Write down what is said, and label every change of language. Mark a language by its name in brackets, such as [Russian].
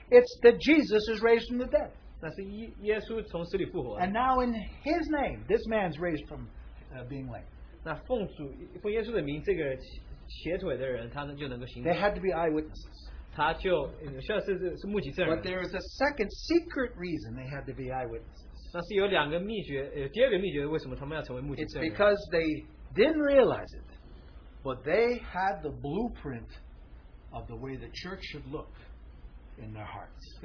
[English] it's that Jesus is raised from the dead. [Chinese] 那是耶稣从死里复活了, [English] and now in his name, this man's raised from being lame. [Chinese] 那奉主,奉耶稣的名, 这个瘸腿的人, [English] they had to be eyewitnesses. [Chinese] 他就需要是目击证人, [English] but there is a second secret reason they had to be eyewitnesses. [Chinese] 那是有两个秘诀,第二个秘诀为什么他们要成为目击证人? [English] It's because they didn't realize it, but they had the blueprint of the way the church should look in their hearts.